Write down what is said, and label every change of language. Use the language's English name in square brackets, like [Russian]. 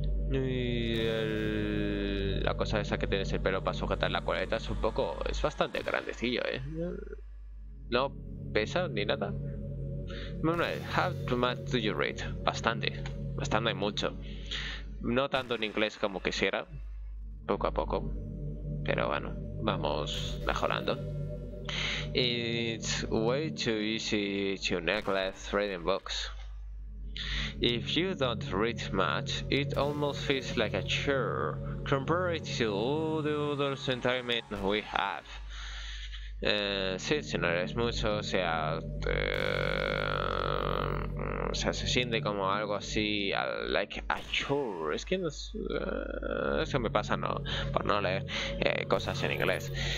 [Spanish] Y la cosa esa que tienes el pelo para sujetar la coleta es bastante grandecillo, No pesa ni nada. [English] Manuel, how much do you read? [Spanish] Bastante y mucho. No tanto en inglés como quisiera, poco a poco. Pero bueno, vamos mejorando. [English] It's way too easy to neglect reading books. If you don't read much, it almost feels like a chore compared to all the other entertainment we have. [Spanish] Sí, si no lees mucho, se siente como algo así, [English] like a chore. [Spanish] Es que no sé, eso me pasa por no leer cosas en inglés.